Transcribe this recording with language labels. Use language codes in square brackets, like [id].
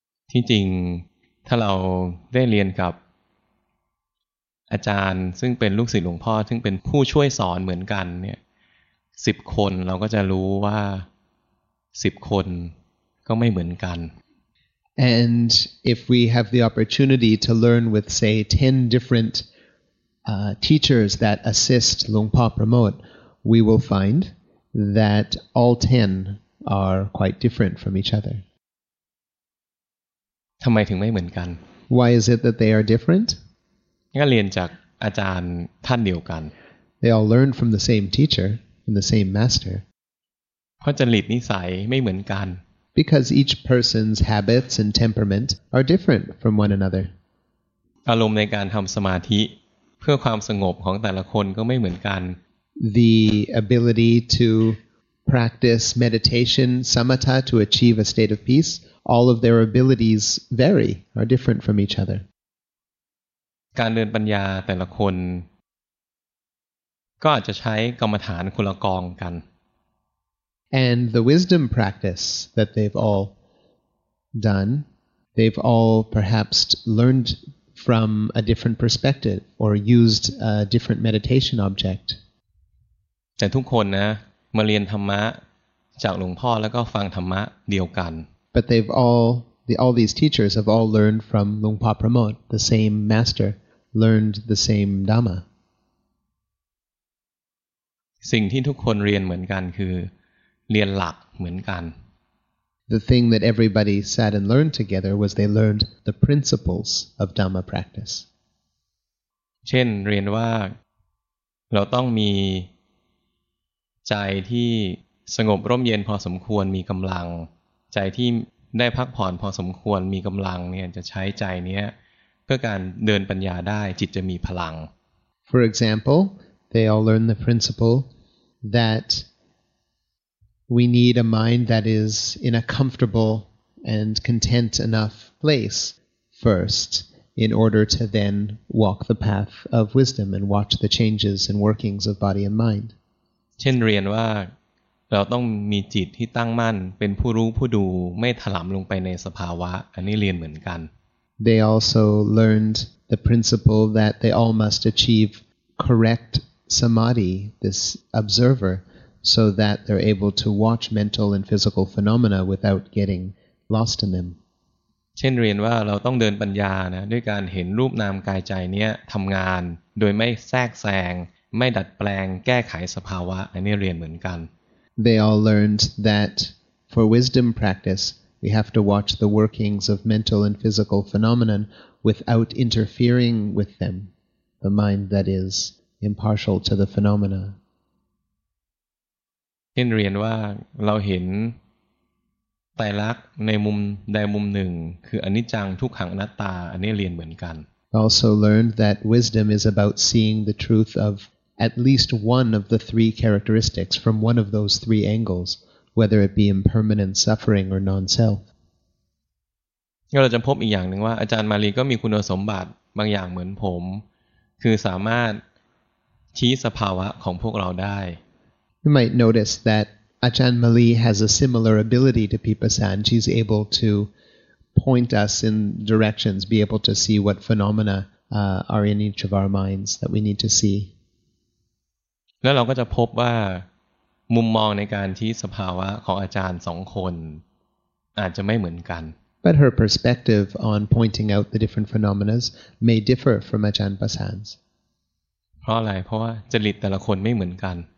[th] ที่จริงถ้าเราได้เรียนกับอาจารย์ซึ่งเป็นลูกศิษย์หลวงพ่อซึ่งเป็นผู้ช่วยสอนเหมือนกันเนี่ย10คนเราก็จะรู้ว่า10คนก็ไม่เหมือนกัน [en] And if we have the opportunity to learn with, say, 10 different teachers that assist Lungpa Pramod, we will find that all 10 are quite different from each other. [th] ทำไมถึงไม่เหมือนกัน [en] Why is it that they are different? [th] ก็เรียนจากอาจารย์ท่านเดียวกัน [en] They all learn from the same teacher and the same master. [th] เพราะจริตนิสัยไม่เหมือนกัน [en] Because each person's habits and temperament are different from one another. [th] อารมณ์ในการทำสมาธิเพื่อความสงบของแต่ละคนก็ไม่เหมือนกัน [en] The ability to practice meditation, samatha, to achieve a state of peace, all of their abilities vary, are different from each other. [th] การเดินปัญญาแต่ละคนก็อาจจะใช้กรรมฐานคนละกองกัน [en] And the wisdom practice that they've all done, they've all perhaps learned from a different perspective or used a different meditation object. [th] แต่ทุกคนนะมาเรียนธรรมะจากหลวงพ่อแล้วก็ฟังธรรมะเดียวกัน [en] But they've all, all these teachers have all learned from Lungpa Pramod, the same master, learned the same Dhamma. [th] สิ่งที่ทุกคนเรียนเหมือนกันคือเรียนหลักเหมือนกัน [en] The thing that everybody sat and learned together was they learned the principles of Dhamma practice. [th] เช่นเรียนว่าเราต้องมีใจที่สงบร่มเย็นพอสมควรมีกำลังใจที่ได้พักผ่อนพอสมควรมีกำลังเนี่ยจะใช้ใจเนี้ยเพื่อการเดินปัญญาได้จิตจะมีพลัง [en] For example, they all learn the principle that we need a mind that is in a comfortable and content enough place first in order to then walk the path of wisdom and watch the changes and workings of body and mind. [th] เช่นเรียนว่าเราต้องมีจิตที่ตั้งมั่นเป็นผู้รู้ผู้ดูไม่ถลำลงไปในสภาวะอันนี้เรียนเหมือนกัน [en] They also learned the principle that they all must achieve correct samadhi, this observer, so that they're able to watch mental and physical phenomena without getting lost in them. [th] เช่นเรียนว่าเราต้องเดินปัญญานะด้วยการเห็นรูปนามกายใจเนี้ยทำงานโดยไม่แทรกแซงไม่ดัดแปลงแก้ไขสภาวะอันนี้เรียนเหมือนกัน [en] They all learned that for wisdom practice, we have to watch the workings of mental and physical phenomenon without interfering with them, the mind that is impartial to the phenomena. [th] เรียนว่าเราเห็นไตรลักษณ์ในมุมใดมุมหนึ่งคืออนิจจังทุกขังอนัตตาอันนี้เรียนเหมือนกัน [en] Also learned that wisdom is about seeing the truth ofAt least one of the three characteristics from one of those three angles, whether it be impermanent suffering or non-self. [th] เราจะพบอีกอย่างนึงว่าอาจารย์มาลีก็มีคุณสมบัติบางอย่างเหมือนผมคือสามารถชี้สภาวะของพวกเราได้ [en] You might notice that Ajahn Mali has a similar ability to Pipasan. She's able to point us in directions, be able to see what phenomena are in each of our minds that we need to see. [th] แล้วเราก็จะพบว่ามุมมองในการที่สภาวะของอาจารย์2คนอาจจะไม่เหมือนกัน [en] But her perspective on pointing out the different phenomena may differ from Ajahn Basan's [th] เพราะอะไรเพราะว่าจริตแต่ละคนไม่เหมือนกัน